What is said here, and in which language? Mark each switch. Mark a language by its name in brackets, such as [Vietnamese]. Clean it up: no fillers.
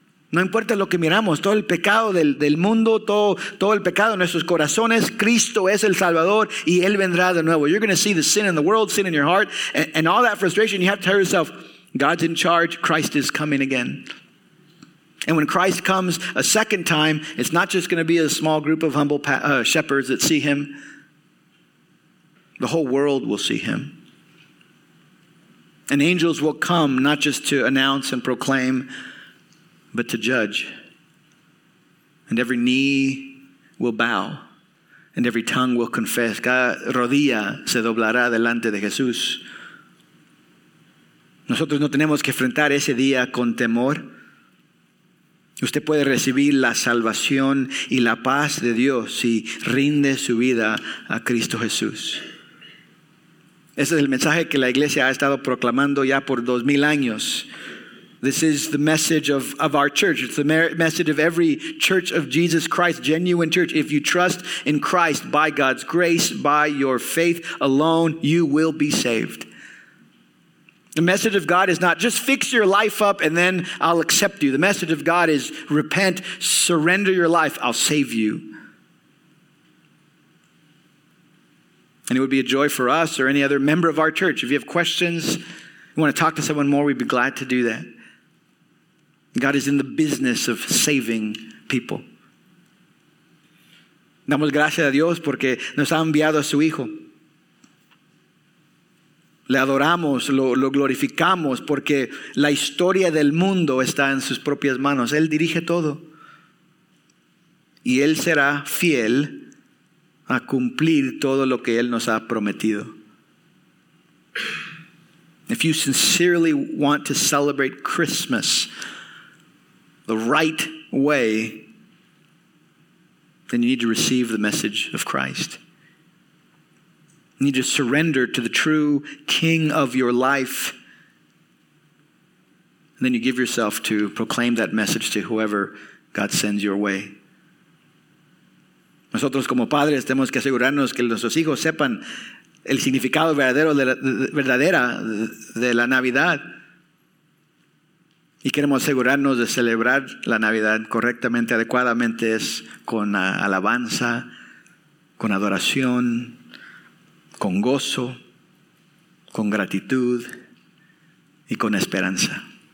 [Spanish] No importa lo que miramos, todo el pecado del mundo, todo el pecado en nuestros corazones, Cristo es el Salvador y Él vendrá de nuevo. [English] You're going to see the sin in the world, sin in your heart, and all that frustration. You have to tell yourself, God's in charge, Christ is coming again. And when Christ comes a second time, it's not just going to be a small group of humble shepherds that see Him. The whole world will see Him. And angels will come not just to announce and proclaim, but to judge. And every knee will bow, and every tongue will confess. [Spanish] Cada rodilla se doblará delante de Jesús. Nosotros no tenemos que enfrentar ese día con temor. Usted puede recibir la salvación y la paz de Dios si rinde su vida a Cristo Jesús. Ese es el mensaje que la iglesia ha estado proclamando ya por 2,000 años. [English] This is the message of our church. It's the message of every church of Jesus Christ, genuine church. If you trust in Christ by God's grace, by your faith alone, you will be saved. The message of God is not just fix your life up and then I'll accept you. The message of God is repent, surrender your life, I'll save you. And it would be a joy for us or any other member of our church. If you have questions, you want to talk to someone more, we'd be glad to do that. God is in the business of saving people. [Spanish] Damos gracias a Dios porque nos ha enviado a su Hijo. Le adoramos, lo glorificamos porque la historia del mundo está en sus propias manos. Él dirige todo. Y Él será fiel a cumplir todo lo que Él nos ha prometido. [English] If you sincerely want to celebrate Christmas the right way, then you need to receive the message of Christ. You need to surrender to the true King of your life. And then you give yourself to proclaim that message to whoever God sends your way. [Spanish] Nosotros como padres tenemos que asegurarnos que nuestros hijos sepan el significado verdadero de la Navidad. Y queremos asegurarnos de celebrar la Navidad correctamente, adecuadamente, es con alabanza, con adoración, con gozo, con gratitud y con esperanza.